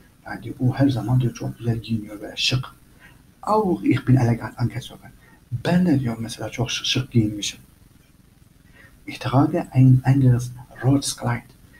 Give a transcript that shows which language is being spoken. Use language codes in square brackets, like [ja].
[tr] Yani o her zaman diyor çok güzel giyiniyor ve şık. [de] Auch ich bin elegant angezogen. [tr] Ben de diyor mesela çok şık giyinmişim. [de] Ich trage ein anderes Rotes Kleid.